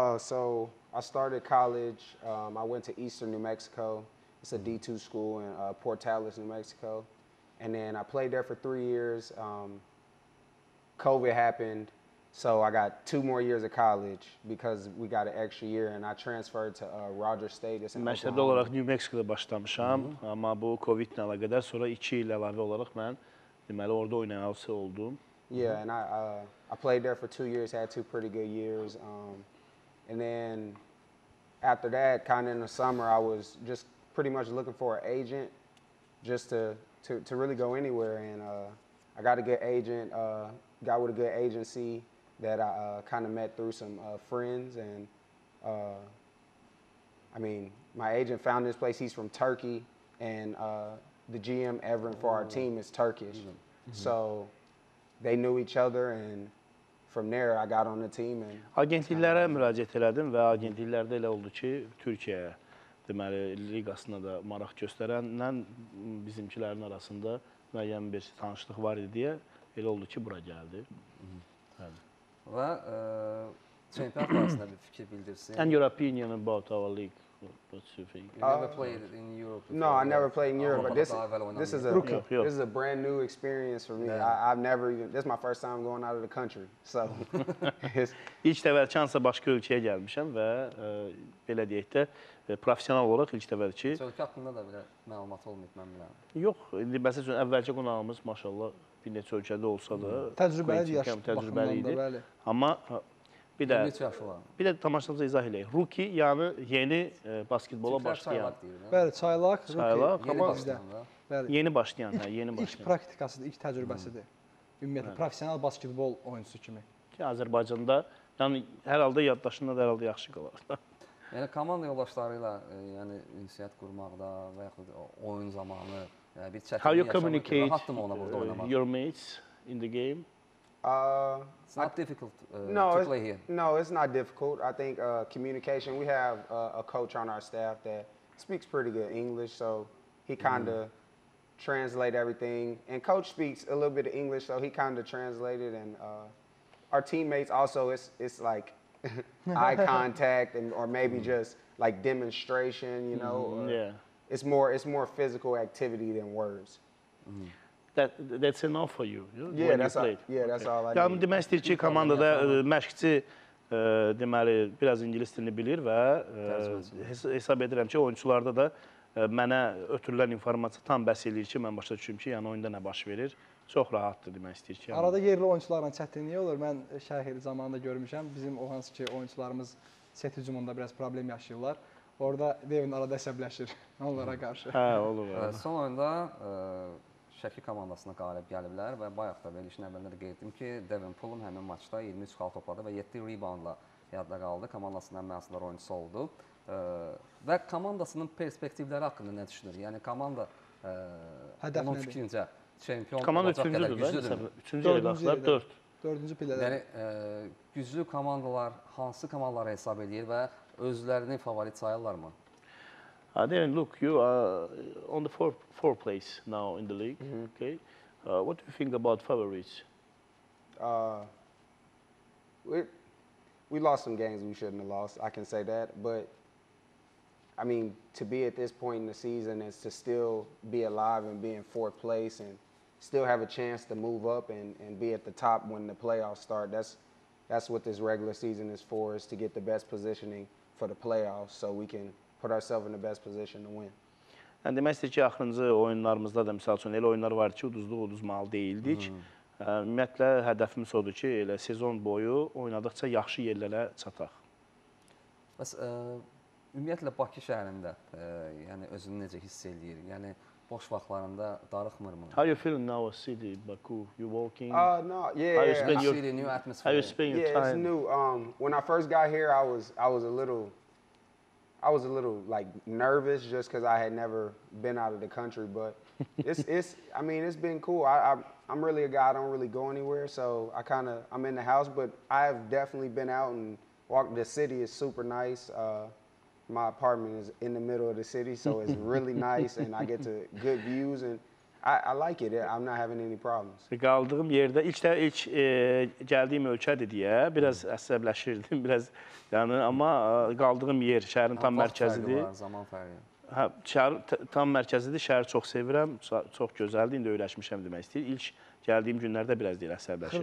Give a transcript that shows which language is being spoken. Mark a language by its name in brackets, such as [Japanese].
[English] So I started college, I went to Eastern New Mexico. It's a D2 school in Portales, New Mexico. And then I played there for 3 years. COVID happened, so I got 2 more years of college because we got an extra year, and I transferred to Rogers State. [Azerbaijani] Məktəbli olaraq New Mexico-da başlamışam, amma bu COVID-lə əlaqədar sonra 2 il əlavə olaraq mən deməli orada oynayan halsa oldum. [English] Yeah, and I played there for 2 years, had 2 pretty good years, and then after that, kind of in the summer, I was just pretty much looking for an agent, just to really go anywhere, and I got a good agent. Got with a good agency that I kind of met through some friends, and I mean, my agent found this place. He's from Turkey, and the GM, Evren, for our team is Turkish. Mm-hmm. So they knew each other, and from there, I got on the team. And [Azerbaijani] agentliklərə müraciət elədim və agentliklərdə elə oldu ki, Türkiyə, deməli, liqasına da maraq göstərənlər bizimkilərin arasında müəyyən bir tanışlıq var idi deyə. Elə oldu ki, bura gəldi. Və çempionat arasında bir fikir bildirsin. [English] And your opinion about our league? What's your thing? You never played in Europe? No, I never played in Europe, but this is a brand new experience for me. I've never even, this is my first time going out of the country, so. [Azerbaijani] İlk dəfə şansa başqa ölkəyə gəlmişəm və belə deyək də, profesional olaraq ilk dəfə ki. Ölkə haqqında da belə məlumat olmayıb, mən biləyəm. Yox, indi məsəl üçün əvvəlcə qonağımız, maşallah, bir neçə ölkədə olsa da təcrübəli idi. Amma bir də tamaşaçımıza izah eləyək. Rookie, yəni yeni basketbola başlayan. Bəli, çaylaq, çaylaq, yeni başlayan. Bəli. Yeni başlayan, yeni başlayan. İlk praktikasıdır, ilk təcrübəsidir. Ümumiyyətlə professional basketbol oyunçusu kimi. Ki Azərbaycanda, yəni hər halda yaddaşında da hər halda yaxşı qalar. Yəni komanda yoldaşları ilə yəni ünsiyyət qurmaqda və yaxud oyun zamanı [English] how you communicate your mates in the game? It's not difficult to play here. No, it's not difficult. I think communication, we have a coach on our staff that speaks pretty good English, so he kind of translate everything. And coach speaks a little bit of English, so he kind of translated. And our teammates also, it's like eye contact and or maybe just like demonstration, you know? Yeah. It's more physical activity than words. That's enough for you. Yeah, that's all. Yeah, that's all I need. [Azerbaijani] Deməkdir ki, komandada məşqçi deməli, biraz ingilis dilini bilir və hesab edirəm ki, oyuncularda da mənə ötürülən informasiya tam bəs eləyir ki, mən başa düşürüm ki, yəni oyunda nə baş verir. Çox rahatdır demək istəyir ki. Arada yəni yerli oyuncularla çətinlik olur. Mən Şəhər zamanında görmüşəm. Bizim o hansı ki, oyuncularımız set hücumunda biraz problem yaşayırlar. Orada Devin arada əsəbləşir onlara qarşı. Hə, olur. Son oyunda Şəki komandasına qalib gəliblər və bayaq da verilişin əvvəlində də qeyd etdim ki, Devin Pullum həmin maçda 23 xal topladı və 7 reboundla yadda qaldı. Komandasından məsullar oyuncusu oldu. Və komandasının perspektivləri haqqında nə düşünür? Yəni komanda onun fikrincə çempion komanda üçüncü pillədədir. Yəni güclü komandalar hansı komandalara hesab edir və özlərini favorit sayırlar mı? [English] Devin, look, you are on the fourth place now in the league. Mm-hmm. Okay, what do you think about favorites? We lost some games we shouldn't have lost. I can say that, but I mean to be at this point in the season is to still be alive and be in fourth place and still have a chance to move up and be at the top when the playoffs start. That's what this regular season is for, is to get the best positioning for the playoffs so we can put ourselves in the best position to win. [Azerbaijani] And demək istəyir ki, axırıncı oyunlarımızda da məsəl üçün elə oyunlar var ki, uduzmalı deyildik. Mm-hmm. Ümumiyyətlə hədəfimiz odur ki, elə sezon boyu oynadıqca yaxşı yerlərə çataq. Bəs ümumiyyətlə Bakı şəhərində yəni özünü necə hiss eləyir? Yəni boş vaxtlarında darıxmır mı? [English] How you feel now in city, Baku? You walking? How you spend your time? Yeah, it's new. When I first got here, I was a little like nervous just because I had never been out of the country, but it's been cool. I'm really a guy, I don't really go anywhere, so I'm in the house, but I have definitely been out and walked. The city is super nice. My apartment is in the middle of the city, so it's really nice and I get to good views and I like it. I'm not having any problems. [Azerbaijani] Qaldığım yerdə ilk gəldiyim ölkədir deyə biraz əsəbləşirdim, biraz yəni amma qaldığım yer şəhərin tam mərkəzidir. Zaman fərqi. Hə, şəhər tam mərkəzidir. Şəhəri çox sevirəm. Çox gözəldir. İndi öyrəşmişəm demək istəyir. İlk gəldiyim günlərdə biraz deyil əsəbləşirdim.